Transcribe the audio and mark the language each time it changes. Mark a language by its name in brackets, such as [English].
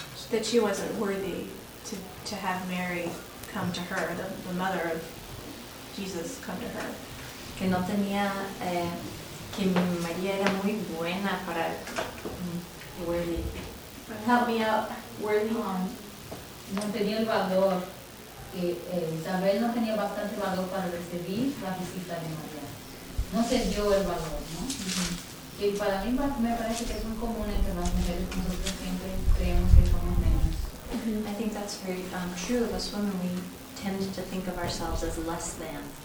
[English] That she wasn't worthy to have Mary come to her, the mother of Jesus come to her. [Spanish] Que no tenía que María era muy buena para worthy. [English] Help me out. Worthy. [Spanish] No tenía el valor. Isabel no tenía bastante valor para recibir la visita de María. No sé yo el valor, ¿no? Uh-huh. Y para mí me parece que es muy común entre las mujeres, nosotros siempre creemos que somos menos. Uh-huh. [English] I think that's very true of us women. We tend to think of ourselves as less than.